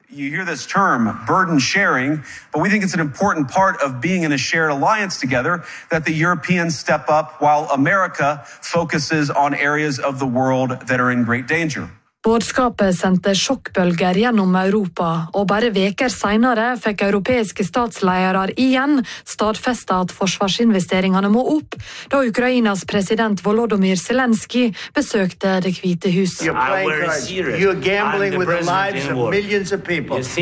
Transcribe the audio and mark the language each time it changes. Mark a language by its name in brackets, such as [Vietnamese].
[English] You hear this term, burden sharing, but we think it's an important part of being in a shared alliance together that the Europeans step up while America focuses on areas of the world that are in great danger. [Norwegian] Budskapet sendte sjokkbølger gjennom Europa, og bare veker senere fikk europeiske statsledere igjen stadfestet at forsvarsinvesteringene må opp, da Ukrainas president Volodymyr Zelensky besøkte det hvite hus. [English] You're gambling with the lives of millions of people.